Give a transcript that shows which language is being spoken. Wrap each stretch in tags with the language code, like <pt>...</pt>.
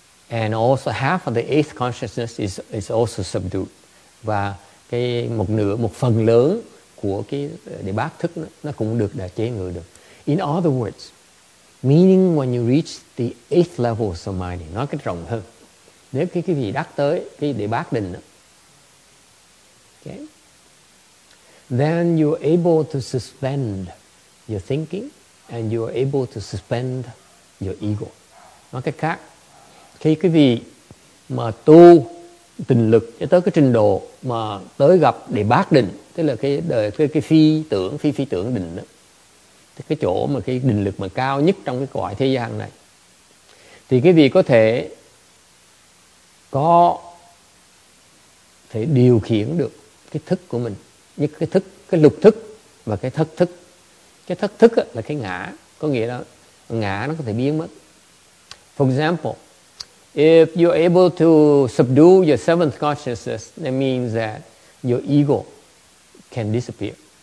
<en>And also half of the eighth consciousness is also subdued.</en> <vi>Và cái một nửa, một phần lớn của cái đệ bát thức nó cũng được đã chế ngự được.</vi> <en>In other words, meaning when you reach the eighth level of samadhi,</en> <vi>nói cái rộng hơn, nếu cái vị đắc tới cái đệ bát định,</vi> <en>okay, then you are able to suspend your thinking and you are able to suspend your ego.</en> <vi>Nói cái khác, khi cái vị mà tu tình lực cho tới cái trình độ mà tới gặp đệ bát định, tức là cái phi tưởng, phi phi tưởng định đó, cái chỗ mà cái định lực mà cao nhất trong cái cõi thế gian này, thì cái vị có thể thể điều khiển được cái thức của mình, như cái thức, cái lục thức và cái thất thức. Cái thất thức là cái ngã, có nghĩa là ngã nó có thể biến mất.</vi> <en>For example, if you're able to subdue your seventh consciousness, that means that your ego can disappear.</en>